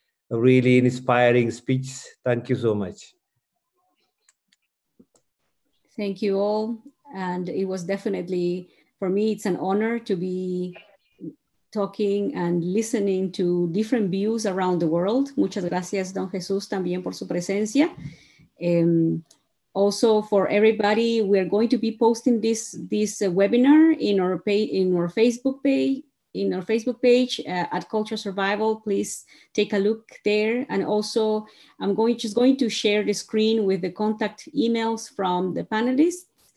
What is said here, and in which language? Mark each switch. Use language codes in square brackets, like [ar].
[en] A really inspiring speech. Thank you so much. Thank you all. And it was definitely, for me, it's an honor to be talking and listening to different views around the world. [es] Muchas gracias, Don Jesús, también por su presencia. [en] Also for everybody, we're going to be posting this webinar in our Facebook page at Culture Survival. Please take a look there. And also I'm going to share the screen with the contact emails from the panelists.